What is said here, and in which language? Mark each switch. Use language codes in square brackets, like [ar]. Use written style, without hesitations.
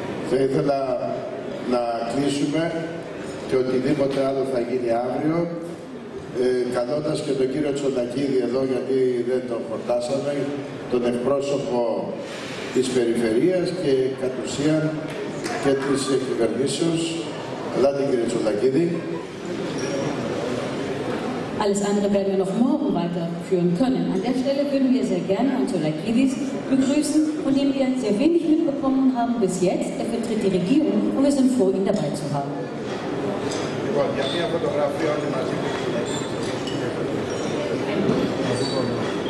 [el] Θα ήθελα να κλείσουμε και οτιδήποτε άλλο θα γίνει αύριο, καλώντας και τον κύριο Τσοντακίδη εδώ, γιατί δεν τον χορτάσαμε, τον εκπρόσωπο της περιφερίας και κατ' ουσίαν και της κυβερνήσεως. Ελάτε, κύριε Τσοντακίδη. [de] Alles andere werden wir noch morgen weiterführen können. An der Stelle würden wir sehr gerne Herrn Tsolakidis begrüßen, von dem wir sehr wenig mitbekommen haben bis jetzt. Er vertritt die Regierung und wir sind froh, ihn dabei zu haben. [el] Λοιπόν, για μια φωτογραφία όλοι μαζί.